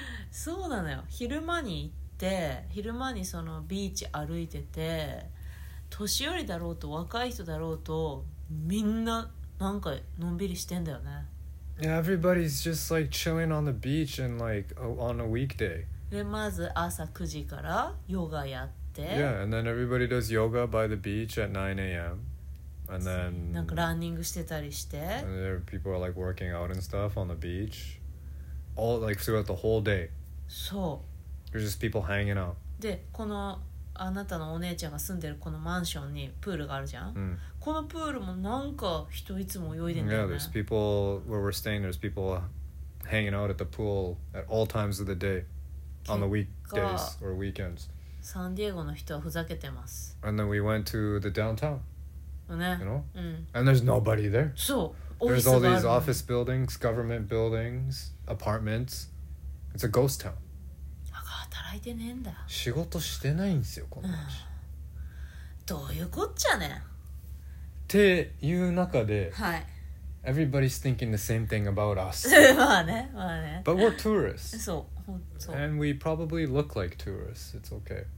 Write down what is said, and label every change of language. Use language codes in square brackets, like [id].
[ja] そうなのよ、昼間に行って、昼間にそのビーチ歩いてて、年寄りだろうと若い人だろうとみんななんかのんびりしてんだよね。 [en] Yeah, everybody's just like chilling on the beach and like on a weekday. [ja] で、まず朝9時からヨガやって。 [en] Yeah, and then everybody does yoga by the beach at 9 a.m. And then... [ja] なんかランニングしてたりして。 [en] And there people are like working out and stuff on the beach. All like throughout the whole day. [ja] そう。 [en] There's just people hanging out. [ja] で、このあなたのお姉ちゃんが住んでるこのマンションにプールがあるじゃん、このプールもなんか人いつも泳いでんだよね。 [en] Yeah, there's people where we're staying, there's people hanging out at the pool at all times of the day on the weekdays or weekends. [ja] サンディエゴの人はふざけてます。 [en] And then we went to the downtown, [ja] ね、 [en] you know?、 [ja] うん、 [en] And there's nobody there. [ja] そう、 [en] There's all these office buildings, government buildings, apartments. It's a ghost town. [ja] 働いてねえんだ、仕事してないんですよこの町、どういうこっちゃねっていう中で、はい、 [en] Everybody's thinking the same thing about us. [ja] まあね、まあね、 [en] But we're tourists. [ja] そう、そう、 [en] And we probably look like tourists. It's okay.